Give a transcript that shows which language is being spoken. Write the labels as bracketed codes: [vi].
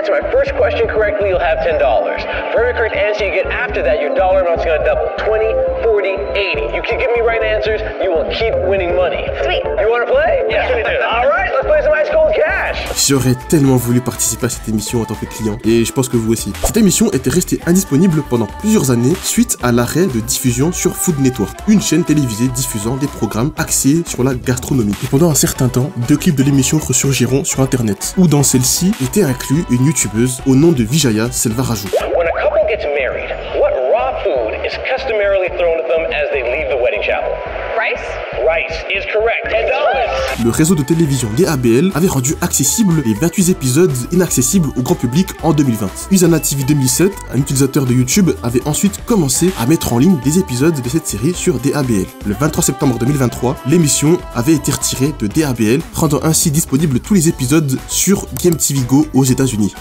[en] First question correctly, you'll have $10. For every correct answer you get after that, your dollar amount's gonna double. 20, 40, 80. You can give me right answers, you will keep winning money. Sweet. You wanna play? Yes, we do. All right, let's play some ice cold cash. [fr] J'aurais tellement voulu participer à cette émission en tant que client, et je pense que vous aussi. Cette émission était restée indisponible pendant plusieurs années suite à l'arrêt de diffusion sur Food Network, une chaîne télévisée diffusant des programmes axés sur la gastronomie. Et pendant un certain temps, deux clips de l'émission resurgiront sur Internet, où dans celle-ci était inclus une youtubeuse au nom de Vijaya Selvaraju. [en] When a couple gets married, what raw food is customarily thrown at them as they leave the wedding chapel? Rice is correct. $10. [fr] Le réseau de télévision DABL avait rendu accessibles les 28 épisodes inaccessibles au grand public en 2020. Usana TV 2007, un utilisateur de YouTube, avait ensuite commencé à mettre en ligne des épisodes de cette série sur DABL. Le 23 septembre 2023, l'émission avait été retirée de DABL, rendant ainsi disponibles tous les épisodes sur Game TV Go aux États-Unis.